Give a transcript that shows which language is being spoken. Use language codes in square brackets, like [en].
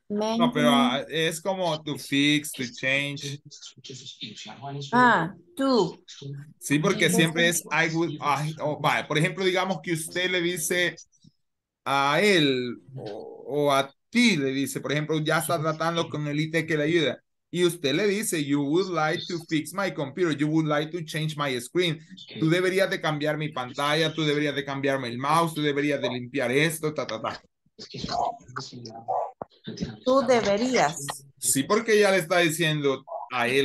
[es] No, pero es como [en] to fix, to change. [es] Ah, tú. Sí, porque siempre es [en] I would. [es] Vale. Por ejemplo, digamos que usted le dice a él o a ti, le dice, por ejemplo, ya está tratando con el IT que le ayuda. Y usted le dice, [en] you would like to fix my computer, you would like to change my screen. [es] Tú deberías de cambiar mi pantalla, tú deberías de cambiarme el mouse, tú deberías de limpiar esto, ta, ta, ta. Tú deberías. Sí, porque ya le está diciendo a él.